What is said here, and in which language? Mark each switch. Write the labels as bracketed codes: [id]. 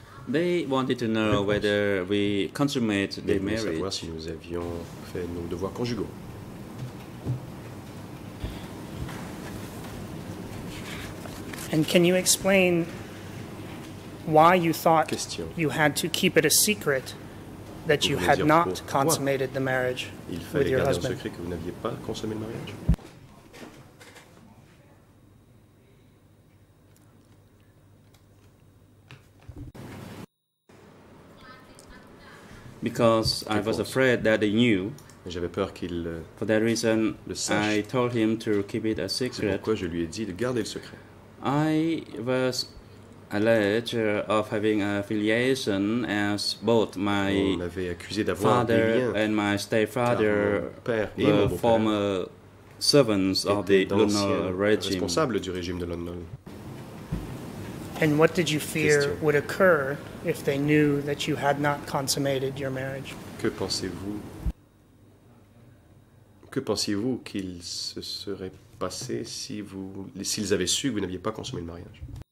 [en] They wanted to know whether we consummated the marriage. [fr] Savoir si nous avions fait nos devoirs conjugaux. [en] And can you explain why you thought you had to keep it a secret that you had not consummated the marriage with your husband? [fr] Il fallait garder que vous n'aviez pas consommé le mariage. [en] Because I was afraid that they knew. [fr] J'avais peur qu'il le sache. [en] For that reason, I told him to keep it a secret. [fr] C'est pourquoi je lui ai dit de garder le secret. [en] I was alleged of having affiliation as both my father and my stepfather were former servants of the Lunol regime. [fr] Responsable du régime de Lunol. [en] And what did you fear would occur if they knew that you had not consummated your marriage? [fr] Que pensez-vous? Que pensiez-vous qu'il se serait passé si vous, s'ils avaient su que vous n'aviez pas consommé le mariage?